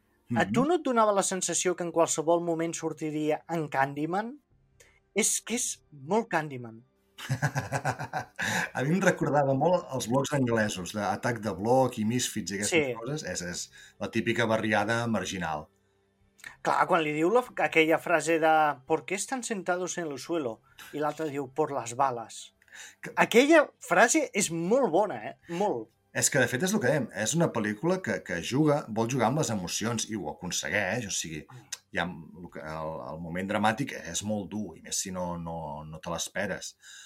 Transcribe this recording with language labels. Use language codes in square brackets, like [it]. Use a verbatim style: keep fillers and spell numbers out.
[ca] Mm-hmm. A tu no et donava la sensació que en qualsevol moment sortiria en Candyman? És que és molt Candyman. A mi em recordava molt els blocs anglesos d'Atac de Bloc i Misfits i aquestes sí. coses. És, és la típica barriada marginal. Clar, quan li diu la, aquella frase de [es] ¿por qué están sentados en el suelo? [ca] I l'altre diu [es] por las balas. [ca] Aquella frase és molt bona, eh? Molt. És que de fet és el que dèiem, és una pel·lícula que, que juga, vol jugar amb les emocions i ho aconsegueix, o sigui, hi ha, el, el moment dramàtic és molt dur, i més si no, no, no te l'esperes.